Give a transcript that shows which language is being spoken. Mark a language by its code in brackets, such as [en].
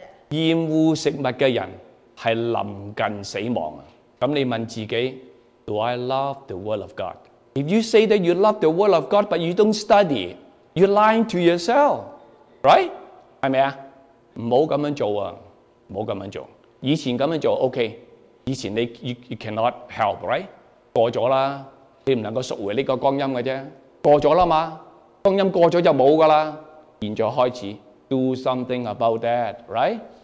[zh] 厌恶食物的人是临近死亡。那你问自己， [en] Do I love the word of God? If you say that you love the word of God, but you don't study, you're lying to yourself. Right? [zh] 是不是？不要这样做啊，不要这样做。以前这样做 OK， 以前你 [en] you cannot help, right? [zh] 过了啦，你不能够赎回这个光阴的啫。过了啦嘛，光阴过了就没有了。现在开始 [en] do something about that, right?